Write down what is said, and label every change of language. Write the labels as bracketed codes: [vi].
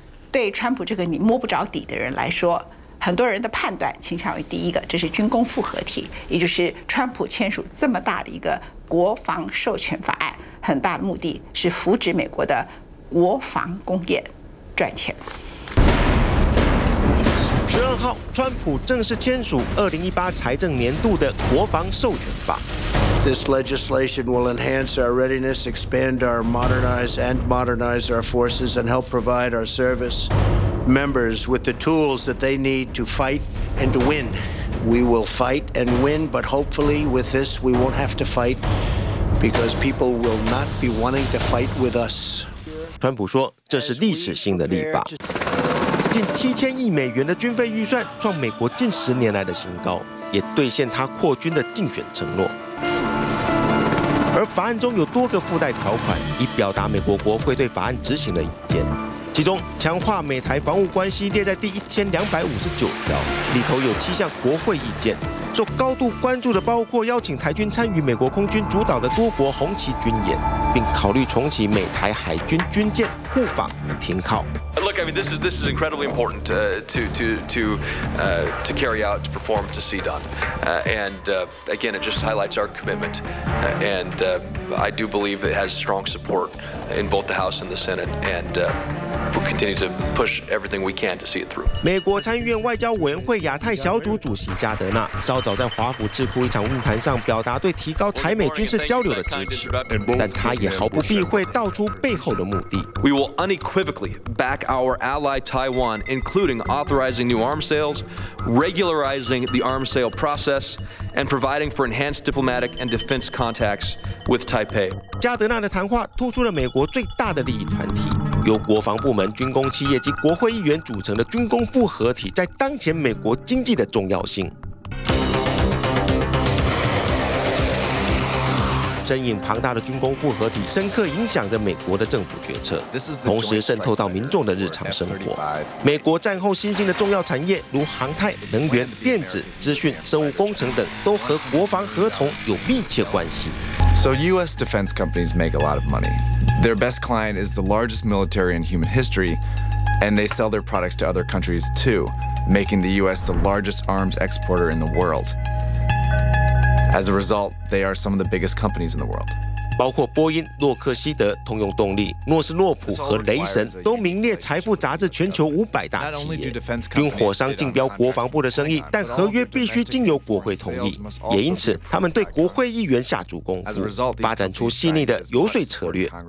[zh] 对川普这个你摸不着底的人来说，很多人的判断倾向于第一个，这是军工复合体，也就是川普签署这么大的一个国防授权法案，很大的目的是扶植美国的国防工业赚钱。 12号，川普正式签署2018财政年度的国防授权法。 [en] This legislation will enhance our readiness, expand our modernize and modernize our forces, and help provide our service members with the tools that they need to fight and to win. We will fight and win, but hopefully with this we won't have to fight because people will not be wanting to fight with us. [zh] 川普说，这是历史性的立法。近7000亿美元的军费预算创美国近十年来的新高，也兑现他扩军的竞选承诺。而法案中有多个附带条款，以表达美国国会对法案执行的意见。其中，强化美台防务关系列在第1259条，里头有7项国会意见，受高度关注的包括邀请台军参与美国空军主导的多国红旗军演，并考虑重启美台海军军舰互访停靠。 [en] Look, I mean, this is incredibly important to carry out, to perform, to see done. Again, it just highlights our commitment. I do believe it has strong support in both the House and the Senate. We'll continue to push everything we can to see it through. [zh] 美国参议院外交委员会亚太小组主席加德纳稍早在华府智库一场论坛上表达对提高台美军事交流的支持，但他也毫不避讳道出背后的目的。 [en] We will unequivocally back our ally Taiwan, including authorizing new arms sales, regularizing the arms sale process, and providing for enhanced diplomatic and defense contacts with Taipei. [zh] 加德纳的谈话突出了美国最大的利益团体。由国防部门、军工企业及国会议员组成的军工复合体在当前美国经济的重要性。身影庞大的军工复合体深刻影响着美国的政府决策，同时渗透到民众的日常生活。美国战后新兴的重要产业如航太、能源、电子、资讯、生物工程等都和国防合同有密切关系。 [en] So US defense companies make a lot of money. Their best client is the largest military in human history, and they sell their products to other countries too. making the U.S. the largest arms exporter in the world. As a result, they are some of the biggest companies in the world. [zh] 包括波音、洛克希德、通用动力、诺斯洛普和雷神都名列《财富》杂志全球500大企业。军火商竞标国防部的生意，但合约必须经由国会同意，也因此他们对国会议员下足功夫，发展出细腻的游说策略。